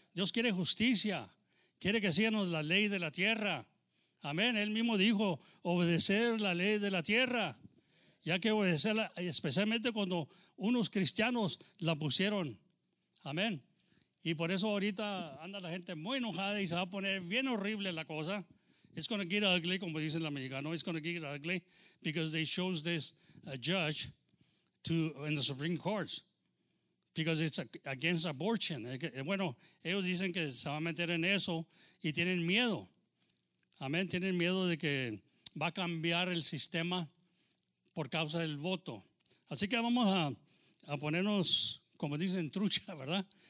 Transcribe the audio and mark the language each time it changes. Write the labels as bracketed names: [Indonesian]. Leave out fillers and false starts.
[Spanish] Dios quiere justicia, quiere que sigamos la ley de la tierra. Amén. Él mismo dijo, obedecer la ley de la tierra. Ya que obedecerla, especialmente cuando unos cristianos la pusieron. Amén. Y por eso ahorita anda la gente muy enojada y se va a poner bien horrible la cosa. [English] It's going to get ugly, [Spanish] como dicen los mexicanos. [English] It's going to get ugly because they chose this judge to in the Supreme Court. Because it's against abortion. [Spanish] Bueno, ellos dicen que se va a meter en eso y tienen miedo. Amén. Tienen miedo de que va a cambiar el sistema por causa del voto. Así que vamos a ponernos, como dicen, trucha, ¿verdad?